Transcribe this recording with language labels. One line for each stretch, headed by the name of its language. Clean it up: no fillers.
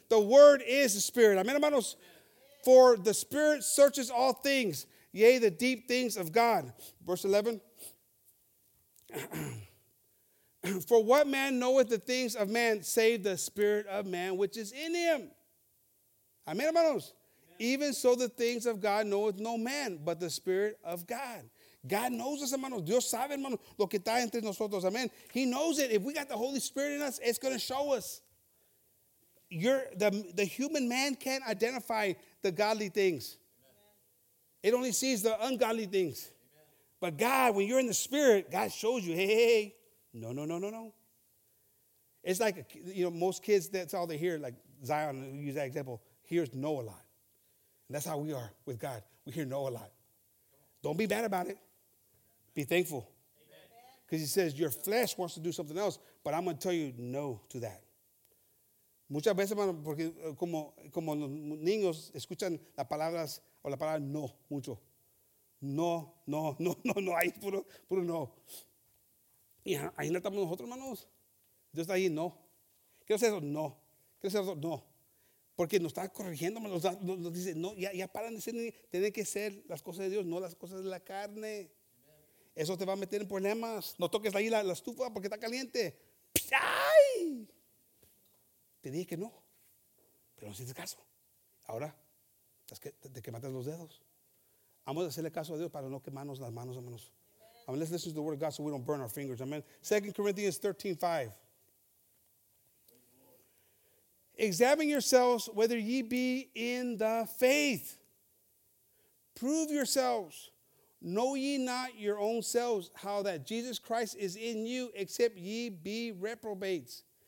English: The word is the Spirit. Amen, hermanos? For the Spirit searches all things, yea, the deep things of God. Verse 11. For what man knoweth the things of man, save the spirit of man which is in him? Amen, hermanos? Amen. Even so the things of God knoweth no man, but the Spirit of God. God knows us, hermanos.
Spanish: Dios sabe, hermanos, lo que está entre nosotros. Amen.
English: He knows it. If we got the Holy Spirit in us, it's going to show us. The human man can't identify the godly things. Amen. It only sees the ungodly things. Amen. But God, when you're in the Spirit, God shows you, hey, no, no, no, no, no. It's like, you know, most kids, that's all they hear, like Zion, use that example, hears no a lot. And that's how we are with God. We hear no a lot. Don't be bad about it. Be thankful. Because he says, your flesh wants to do something else, but I'm going to tell you no to that.
Spanish: Muchas veces, hermano, porque como los niños escuchan las palabras o la palabra no mucho. No, no, no, no, no, ahí puro no. Y ahí no estamos nosotros, hermanos. Dios está ahí, no. Quiero hacer eso, no. Quiero hacer eso, no. Porque nos está corrigiendo, nos dice, no, ya paran de ser, tienen que ser las cosas de Dios, no las cosas de la carne. Eso te va a meter en problemas. No toques ahí la estufa porque está caliente. ¡Ay! Te dije que no, pero no hiciste caso. Ahora, te quemaste los dedos. Vamos a hacerle caso a Dios para no quemarnos las manos, hermanos. Amen.
English: Let's listen to the word of God so we don't burn our fingers. Amen. 2 Corinthians 13:5. Examine yourselves whether ye be in the faith. Prove yourselves. Know ye not your own selves how that Jesus Christ is in you, except ye be reprobates.